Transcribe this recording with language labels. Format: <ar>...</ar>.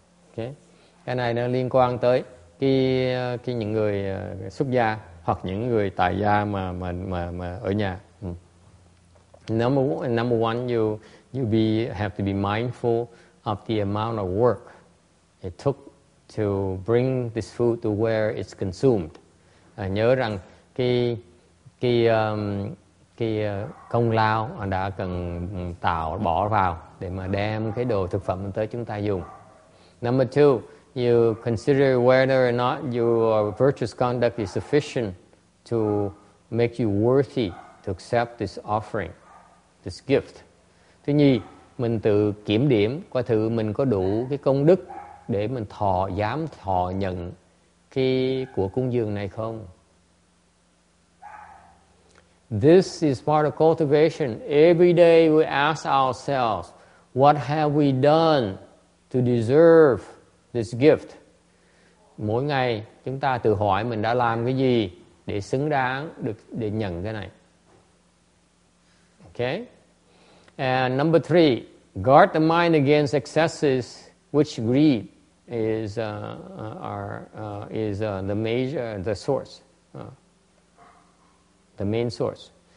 <vi>Okay, cái này nó liên quan tới cái những người xuất gia hoặc những người tại gia mà ở nhà.</vi> <en>Number one, you have to be mindful of the amount of work it took to bring this food to where it's consumed.</en> <vi>Nhớ rằng cái công lao đã cần tạo bỏ vào để mà đem cái đồ thực phẩm tới chúng ta dùng.</vi> <en>Number two, you consider whether or not your virtuous conduct is sufficient to make you worthy to accept this offering. This gift.</en> <vi>Thứ nhì, mình tự kiểm điểm qua thử mình có đủ cái công đức để mình dám thọ nhận cái của cúng dường này không.</vi> <en>This is part of cultivation. Every day we ask ourselves, what have we done to deserve this gift?</en> <vi>Mỗi ngày chúng ta tự hỏi mình đã làm cái gì để xứng đáng được để nhận cái này.</vi> <en>Okay? And number three, guard the mind against excesses, which greed is the main source.</en>